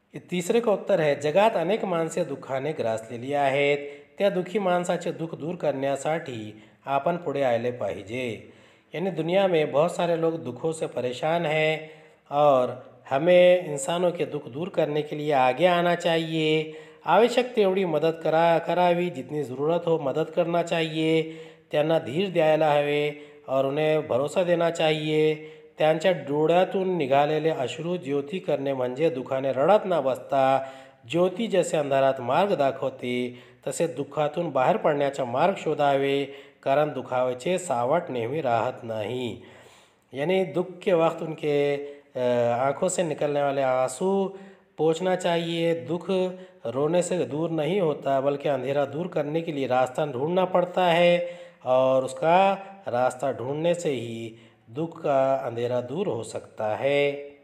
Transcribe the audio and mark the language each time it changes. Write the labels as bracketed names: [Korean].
[Hindi] तीसरे का उत्तर है, [Marathi] जगात अनेक माणसे दुखाने ग्रासलेली आहेत, त्या दुखी माणसाचे दुख दूर करण्यासाठी आपण पुढे आले पाहिजे. [Hindi] यानी दुनिया में बहुत सारे लोग दुखों से परेशान हैं और हमें इंसानों के दुख दूर करने के लिए आगे आना चाहिए. [Marathi] आवश्यक तेवढी मदद करावी, [Hindi] जितनी ज़रूरत हो मदद करना चाहिए. [Marathi] त्यांना धीर द्यायला हवे [Hindi] और उन्हें भरोसा देना चाहिए. [Marathi] त्यांच्या डोळ्यातून निघालेले अश्रू ज्योती करणे म्हणजे दुखाने रडत न बसता ज्योती जसे अंधारात मार्ग दाखवते तसे दुःखातून बाहेर पडण्याचा मार्ग शोधावे, कारण दुखावचे सावट नेहमी राहत नाही. [Hindi] यानी दुख के वक्त उनके आँखों से निकलने वाले आंसू पोछना चाहिए. दुख रोने से दूर नहीं होता बल्कि अंधेरा दूर करने के लिए रास्ता ढूंढना पड़ता है और उसका रास्ता ढूंढने से ही दुख का अंधेरा दूर हो सकता है.